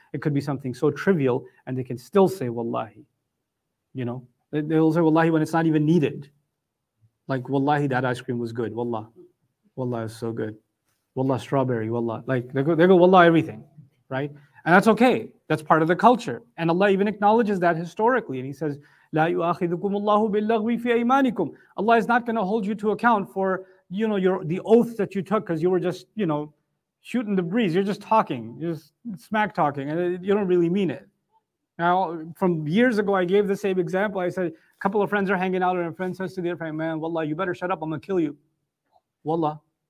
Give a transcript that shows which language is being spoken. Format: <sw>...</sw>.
<en>It could be something so trivial and they can still say wallahi. You know, they'll say wallahi when it's not even needed. Like, wallahi, that ice cream was good. Wallah. Wallah is so good. Wallah, strawberry. Wallah. Like, they go wallah everything, right? And that's okay. That's part of the culture. And Allah even acknowledges that historically. And He says,</en> <ar>لا يؤاخذكم الله باللغو في أيمانكم.</ar> <en>Allah is not going to hold you to account for, you know, the oath that you took because you were just, you know, shooting the breeze. You're just talking. You're just smack talking. And you don't really mean it. Now, from years ago, I gave the same example. I said, a couple of friends are hanging out, and a friend says to the other friend, man, wallah, you better shut up. I'm going to kill you. Wallah.</en>